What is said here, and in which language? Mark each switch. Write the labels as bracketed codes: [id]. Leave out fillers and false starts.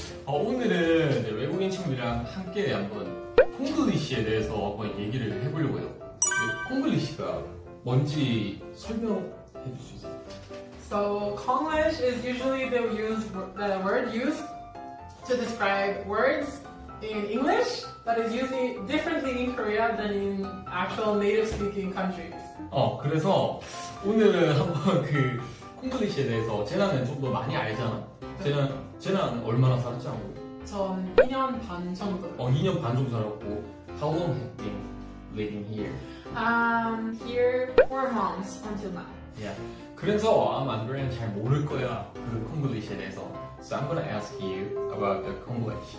[ko] 오늘은 외국인 친구들이랑 함께 한번 콩글리시에 대해서 한번 얘기를 해보려고 해요. 콩글리시가 뭔지 설명해 주실 수 있어요? [en] So, Konglish is usually the word used to describe words in English that is used differently in Korea than in actual native speaking countries. [ko] 그래서 오늘은 한번 그 콩글리시에 대해서 재난은 좀 더 많이 알잖아. 재난 얼마나 살았지 한 번? 전 2년 반 정도. 2년 반 정도 살았고. [en] How long have you been living here? Here 4 months until now. Yeah. [ko] 그래서 아마 안드레는 잘 모를 거야 그 콩글리시에 대해서. [en] So I'm gonna ask you about the Konglish.